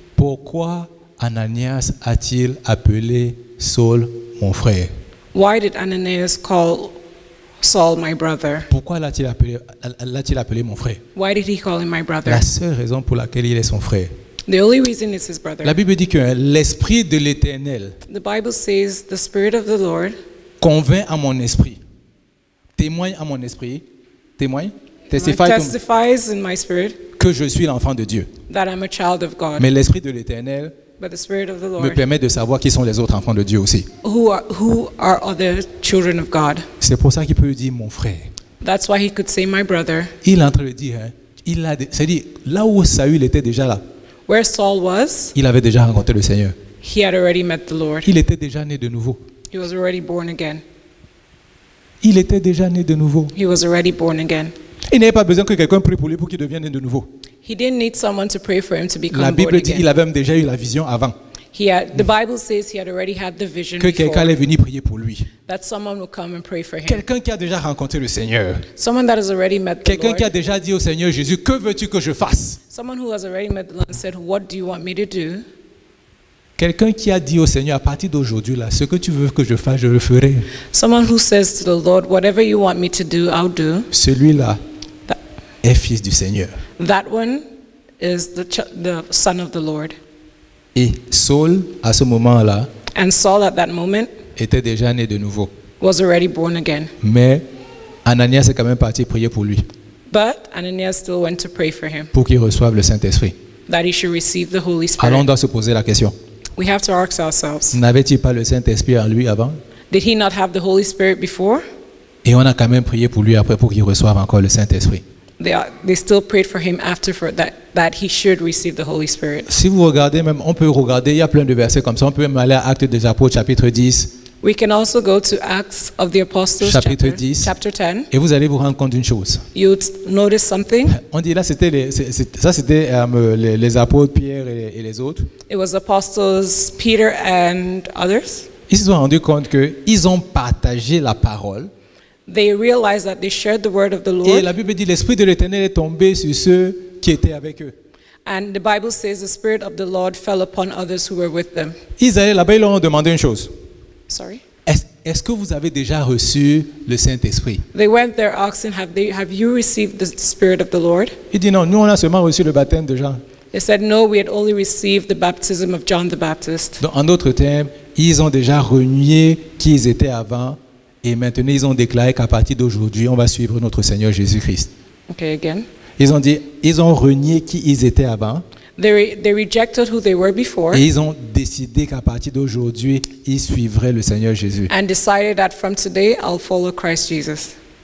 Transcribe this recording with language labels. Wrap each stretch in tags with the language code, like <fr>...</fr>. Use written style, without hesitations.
<fr>Pourquoi Ananias a-t-il appelé Saul mon frère?</fr> <en>Why did Ananias call Saul my brother?</en> <fr>Pourquoi l'a-t-il appelé mon frère?</fr> <en>Why did he call him my brother?</en> <fr>La seule raison pour laquelle il est son frère.</fr> <en>The only reason is his brother.</en> <fr>La Bible dit que l'esprit de l'Éternel.</fr> <en>The Bible says the spirit of the Lord.</en> <fr>Convainc à mon esprit. Témoigne à mon esprit. Témoigne.</fr> <en>Testifies in my spirit.</en> <fr>Que je suis l'enfant de Dieu.</fr> <en>That I'm a child of God.</en> <fr>Mais l'esprit de l'Éternel.</fr> <en>But the spirit of the Lord</en> <fr>me permet de savoir qui sont les autres enfants de Dieu aussi.</fr> <en>Who are other children of God?</en> <fr>C'est pour ça qu'il peut dire mon frère.</fr> <en>That's why he could say my brother.</en> <fr>Il est en train de dire, hein, c'est-à-dire là où Saül était déjà là.</fr> <en>Where Saul was?</en> <fr>Il avait déjà rencontré le Seigneur.</fr> <en>He had already met the Lord.</en> <fr>Il était déjà né de nouveau.</fr> <en>He was already born again.</en> <fr>Il était déjà né de nouveau.</fr> <en>He was already born again.</en> <fr>Il n'avait pas besoin que quelqu'un prie pour lui pour qu'il devienne de nouveau.</fr> <en>He didn't need someone to pray for him to become</en> <fr>La Bible dit qu'il avait déjà eu la vision avant.</fr> <en>The Bible says he had already had the vision</en> <fr>que quelqu'un allait venir prier pour lui.</fr> <en>That someone will come and pray for him.</en> <fr>Quelqu'un qui a déjà rencontré le Seigneur.</fr> <en>Someone that has already met the</en> <fr>quelqu'un</fr> <en>Lord.</en> <fr>Qui a déjà dit au Seigneur Jésus, que veux-tu que je fasse?</fr> <en>Someone who has already met the Lord and said, what do you want me to do?</en> <fr>Quelqu'un qui a dit au Seigneur à partir d'aujourd'hui là, ce que tu veux que je fasse, je le ferai.</fr> <en>Someone who says to the Lord, whatever you want me to do, I'll do.</en> <fr>Celui-là est fils du Seigneur.</fr> <en>That one is the son of the Lord.</en> <fr>Et Saul à ce moment-là,</fr> <en>and Saul at that moment,</en> <fr>était déjà né de nouveau.</fr> <en>Was already born again.</en> <fr>Mais Ananias est quand même parti prier pour lui.</fr> <en>But Ananias still went to pray for him.</en> <fr>Pour qu'il reçoive le Saint-Esprit.</fr> <en>That he should receive the Holy Spirit.</en> <fr>Alors on doit se poser la question.</fr> <en>We have to ask ourselves.</en> <fr>N'avait-il pas le Saint-Esprit en lui avant?</fr> <en>Did he not have the Holy Spirit before?</en> <fr>Et on a quand même prié pour lui après pour qu'il reçoive encore le Saint-Esprit.</fr> <en>They still prayed for him after for that he should receive the Holy Spirit.</en> <fr>Si vous regardez même, on peut regarder, il y a plein de versets comme ça. On peut même aller à Actes des Apôtres chapitre 10.</fr> <en>We can also go to Acts of the Apostles</en> <fr>chapitre 10.</fr> <en>Chapter 10.</en> <fr>Et vous allez vous rendre compte d'une chose.</fr> <en>You'd notice something.</en> <fr>On dit là, c'était les apôtres Pierre et les autres.</fr> <en>It was apostles Peter and others.</en> <fr>Ils se sont rendus compte que ils ont partagé la parole.</fr> <en>They realized that they shared the word of the Lord.</en> <fr>Et la Bible dit l'esprit de l'Éternel est tombé sur ceux qui étaient avec eux.</fr> <en>And the Bible says the spirit of the Lord fell upon others who were with them.</en> <fr>Israël, là-bas, ils leur ont demandé une chose.</fr> <en>Sorry.</en> <fr>Est-ce que vous avez déjà reçu le Saint-Esprit?</fr> <en>They went there asking, have you received the spirit of the Lord?</en> <fr>Il dit non, nous on a seulement reçu le baptême de Jean.</fr> <en>They said no, we had only received the baptism of John the Baptist.</en> <fr>Donc en d'autres termes, ils ont déjà renié qui ils étaient avant. Et maintenant, ils ont déclaré qu'à partir d'aujourd'hui, on va suivre notre Seigneur Jésus-Christ.</fr> <en>Okay, again.</en> <fr>Ils ont dit, ils ont renié qui ils étaient avant.</fr> <en>They rejected who they were before.</en> <fr>Et ils ont décidé qu'à partir d'aujourd'hui, ils suivraient le Seigneur Jésus.</fr> <en>And decided that from today, I'll follow Christ Jesus.</en>